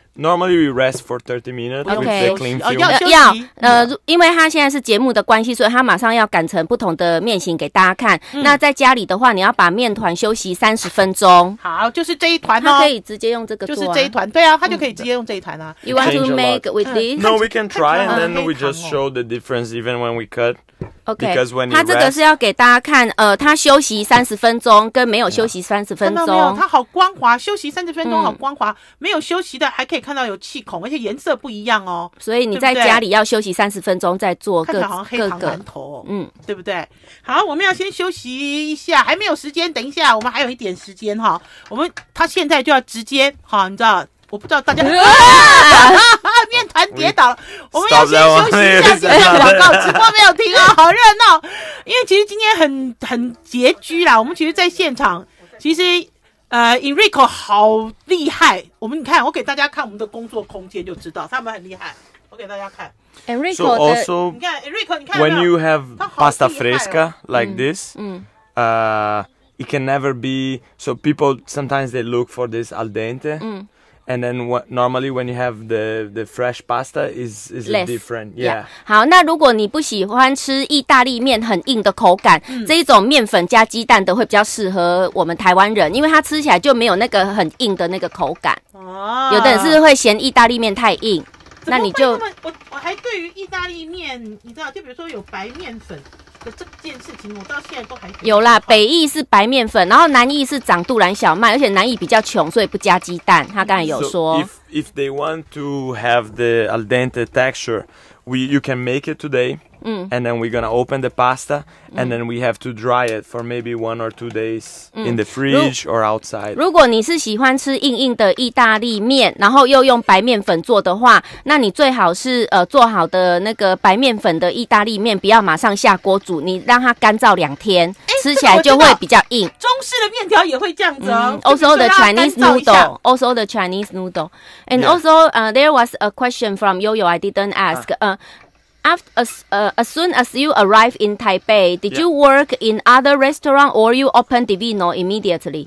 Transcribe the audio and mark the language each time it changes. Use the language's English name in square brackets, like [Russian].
[English] Normally we rest for 30 minutes. Okay. With the clean film. [Chinese] 要因为它现在是节目的关系，所以它马上要赶成不同的面型给大家看。那在家里的话，你要把面团休息30分钟。好，就是这一团哦。它可以直接用这个做、啊。就是这一团，对啊，它就可以直接用这一团啊。 [English] You want to make with this? No, we can try and then we just show the difference even when we cut. Okay, Because when he rests, [Chinese] 他这个是要给大家看，他休息30分钟跟没有休息30分钟，看到没有？他好光滑，休息30分钟好光滑，没有休息的还可以看到有气孔，而且颜色不一样哦。所以你在家里要休息30分钟再做各看起来好像黑糖馒头、哦，对不对？好，我们要先休息一下，还没有时间，等一下我们还有一点时间哈。他现在就要直接，好，你知道，我不知道大家。啊面团跌倒了。我们要先休息一下，接下广告，直播没有停哦，好热闹。因为其实今天很拮据啦，我们其实在现场，其实Enrico 好厉害。我们你看，我给大家看我们的工作空间就知道，他们很厉害。我给大家看。 [English] Enrico, so also, Enrico, when you have pasta fresca like this, it can never be. So people sometimes they look for this al dente, and then normally when you have the fresh pasta is Less, different. Yeah. [Chinese] 好，那如果你不喜欢吃意大利面很硬的口感，这一种面粉加鸡蛋的会比较适合我们台湾人，因为它吃起来就没有那个很硬的那个口感。哦，有的人是会嫌意大利面太硬。那你就我还对于意大利面，你知道，就比如说有白面粉的这件事情，我到现在都还有啦。北意是白面粉，然后南意是长杜兰小麦，而且南意比较穷，所以不加鸡蛋。他刚才有说、 [English] so、if they want to have the al dente texture, you can make it today. And then we're gonna open the pasta, and then we have to dry it for maybe one or two days in the fridge or outside. [Chinese] 如果你是喜欢吃硬硬的意大利面，然后又用白面粉做的话，那你最好是做好的那个白面粉的意大利面，不要马上下锅煮，你让它干燥两天，吃起来就会比较硬。中式的面条也会这样子哦。 [English] Also the Chinese noodle, also the Chinese noodle, and also there was a question from Yoyo I didn't ask. As soon as you arrive in Taipei, did you work in other restaurant or you opened Divino immediately?